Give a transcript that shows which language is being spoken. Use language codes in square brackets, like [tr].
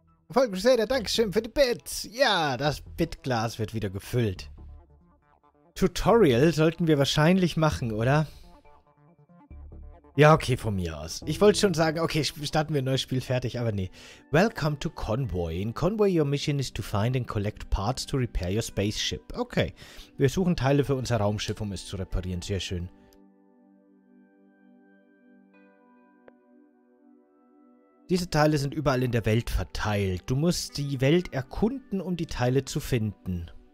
[de] Voll Crusader, dankeschön für die Bits. Ja, das Bitglas wird wieder gefüllt. Tutorial sollten wir wahrscheinlich machen, oder? Ja, okay, von mir aus. Ich wollte schon sagen, okay, starten wir ein neues Spiel, fertig, aber nee. [en] Welcome to Konvoi. In Konvoi, your mission is to find and collect parts to repair your spaceship. [de] Okay, wir suchen Teile für unser Raumschiff, um es zu reparieren. Sehr schön. Diese Teile sind überall in der Welt verteilt. Du musst die Welt erkunden, um die Teile zu finden.